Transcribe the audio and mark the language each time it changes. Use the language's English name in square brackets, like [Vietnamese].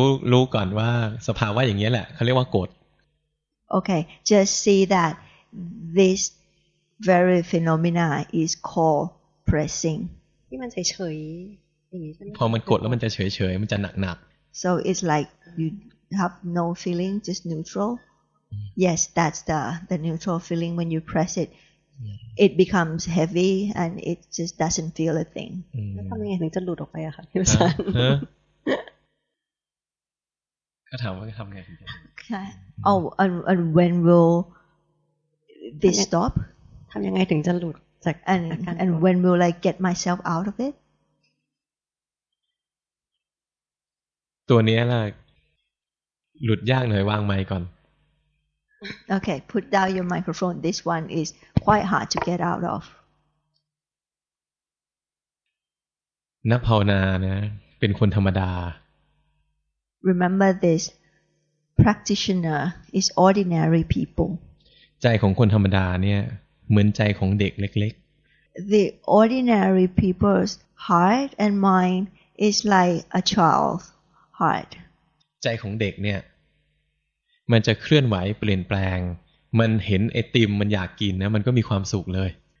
[Thai] รู้ก่อนว่าสภาวะอย่างเงี้ยแหละเขาเรียกว่ากด [English] Okay. Just see that this. Very phenomena is called pressing. [Thai] ที่มันเฉยเฉยอย่างนี้ใช่ไหม พอมันกดแล้วมันจะเฉยเฉยมันจะหนักหนัก [English] So it's like you have no feeling, just neutral. Yes, that's the neutral feeling when you press it. It becomes heavy and it just doesn't feel a thing. [Thai] แล้วทำยังไงถึงจะหลุดออกไปอะคะที่มันสั่น ก็ถามว่าทำไงถึงจะ [English] Oh, and when will this stop? [Thai] ทำยังไงถึงจะหลุดจาก [English] and when will I get myself out of it [Thai] ตัวนี้ล่ะหลุดยากหน่อยวางไมค์ก่อน [English] Okay put down your microphone this one is quite hard to get out of [Thai] นักภาวนานะเป็นคนธรรมดา [English] Remember this practitioner is ordinary people [Thai] ใจของคนธรรมดาเนี่ยเหมือนใจของเด็กเล็ก [English] ๆ The ordinary people's heart and mind is like a child's heart [Thai] ใจของเด็กเนี่ยมันจะเคลื่อนไหวเปลี่ยนแปลงมันเห็นไอติมมันอยากกินนะมันก็มีความสุขเลย